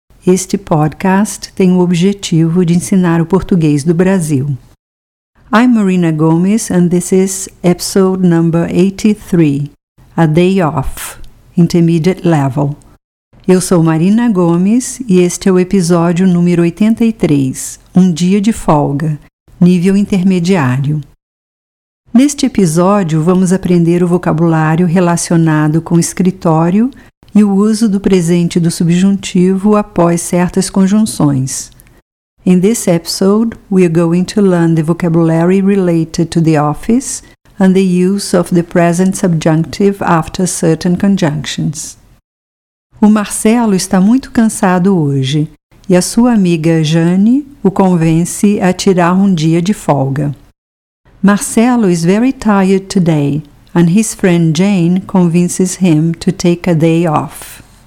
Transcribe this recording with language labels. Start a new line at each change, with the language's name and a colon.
Portuguese: Este podcast tem o objetivo de ensinar o português do Brasil.
English: I'm Marina Gomes and this is episode number 83, A Day Off, Intermediate Level.
Portuguese: Eu sou Marina Gomes e este é o episódio número 83, Um Dia de Folga, Nível Intermediário. Neste episódio, vamos aprender o vocabulário relacionado com escritório e o uso do presente do subjuntivo após certas conjunções.
English: In this episode, we are going to learn the vocabulary related to the office and the use of the present subjunctive after certain conjunctions.
Portuguese: O Marcelo está muito cansado hoje e a sua amiga Jane o convence a tirar um dia de folga.
English: Marcelo is very tired today, and his friend Jane convinces him to take a day off.